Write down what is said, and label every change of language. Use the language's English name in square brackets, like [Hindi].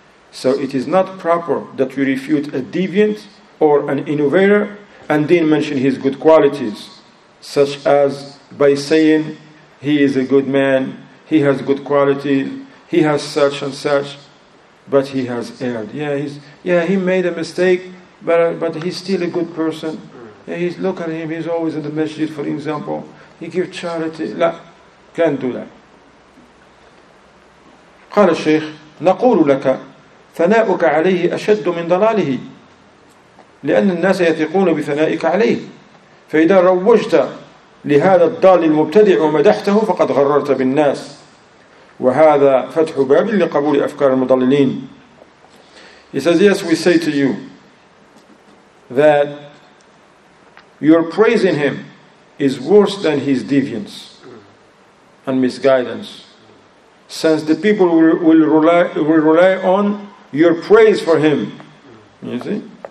[English] So it is not proper that we refute a deviant or an innovator and then mention his good qualities, such as by saying, he is a good man, he has good qualities, he has such and such, but he has erred. He made a mistake, but he's still a good person. Look at him, he's always in the masjid, for example. He gives charity. [Arabic] لا, [English] can't do that. [Arabic] قال الشيخ نقول لك ثناؤك عليه أشد من ضلاله لأن الناس يثقون بثنائك عليه فإذا روجت لهذا الضال المبتدع ومدحته فقد غررت بالناس وهذا فتح باب لقبول أفكار المضللين. [English] He says, yes, we say to you that your praising him is worse than his deviance and misguidance, since the people will rely on your praise for him. You see?